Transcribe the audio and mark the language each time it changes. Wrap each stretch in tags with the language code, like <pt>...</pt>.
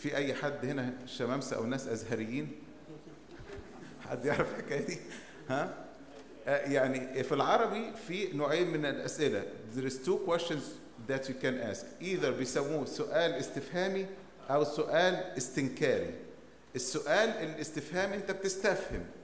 <ar>في أي حد هنا شمامسة أو ناس أزهريين؟ حد يعرف حكاية دي؟ ها؟ يعني في العربي في نوعين من الأسئلة.</ar> <en>There is two questions that you can ask. Either</en> <ar>بيسموه سؤال استفهامي أو سؤال استنكاري. السؤال الاستفهامي أنت بتستفهم.</ar>